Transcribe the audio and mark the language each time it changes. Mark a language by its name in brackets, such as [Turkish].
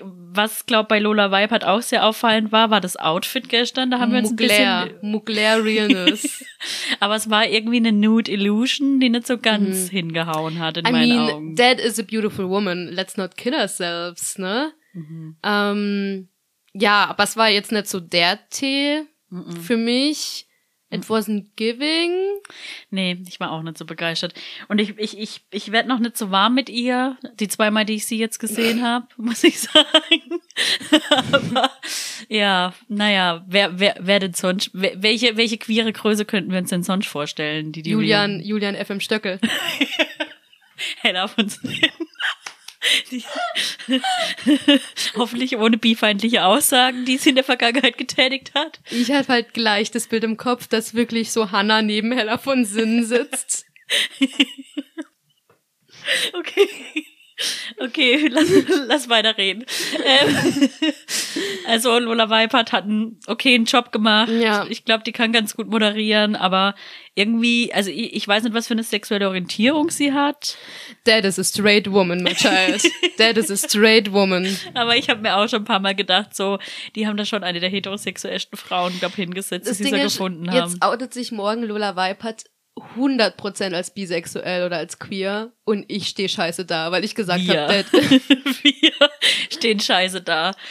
[German] Was glaube bei Lola Weipert auch sehr auffallend war das Outfit gestern. Da haben wir uns Mugler Realness. Aber es war irgendwie eine Nude Illusion, die nicht so ganz hingehauen hat in meinen Augen. [English] That is a beautiful woman. Let's not kid ourselves, ne? Mhm. [German] Ja, aber es war jetzt nicht so der Tee für mich. [English] It wasn't giving. [German] Nee, ich war auch nicht so begeistert. Und ich werde noch nicht so warm mit ihr, die zweimal, die ich sie jetzt gesehen habe, muss ich sagen. Aber ja, naja, wer denn sonst, welche queere Größe könnten wir uns denn sonst vorstellen? Die Julian F.M. Stöckel. Hey, lauf uns hin. Hoffentlich ohne bifeindliche Aussagen, die sie in der Vergangenheit getätigt hat. Ich habe halt gleich das Bild im Kopf, dass wirklich so Hannah neben Hella von Sinnen sitzt. Okay, lass weiter reden. Also Lola Weipert hat einen Job gemacht. Ja. Ich glaube, die kann ganz gut moderieren, aber irgendwie, also ich weiß nicht, was für eine sexuelle Orientierung sie hat. [English] That is a straight woman, my child. That is a straight woman. [German] Aber ich habe mir auch schon ein paar Mal gedacht, so, die haben da schon eine der heterosexuellsten Frauen, glaube ich, hingesetzt, das die Ding sie so ist, gefunden jetzt haben. Jetzt outet sich morgen Lola Weipert 100% als bisexuell oder als queer und ich stehe scheiße da, weil ich gesagt habe, wir stehen scheiße da.